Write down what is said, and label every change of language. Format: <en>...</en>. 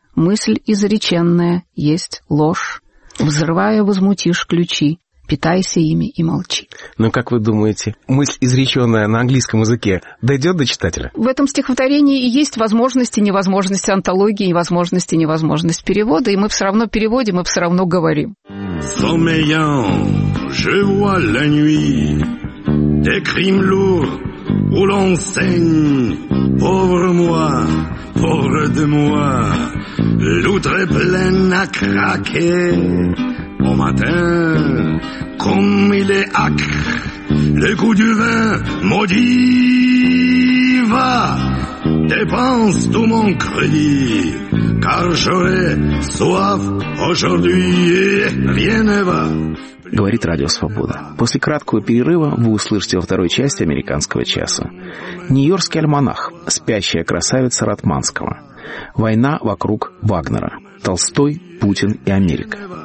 <ru>Мысль изреченная есть ложь. Взрывая, возмутишь ключи. Питайся ими и молчи». Ну, как вы думаете, мысль, изреченная на английском языке, дойдет до читателя? В этом стихотворении и есть возможность и невозможность антологии, и возможность и невозможность перевода, и мы все равно переводим, и все равно говорим.</ru> <fr>Sommeillant, je vois la nuit, des crimes lourds où l'on saigne. Pauvre moi, pauvre de moi, l'outre est pleine à craquer. Au matin, comme il est âcre, le goût du vin maudit va. Dépense tout mon crédit, car j'aurai soif aujourd'hui et rien ne va.</fr> <ru>Говорит Радио Свобода. После краткого перерыва вы услышите во второй части «Американского часа». Нью-Йоркский альманах, спящая красавица Ратманского, война вокруг Вагнера, Толстой, Путин и Америка.</ru>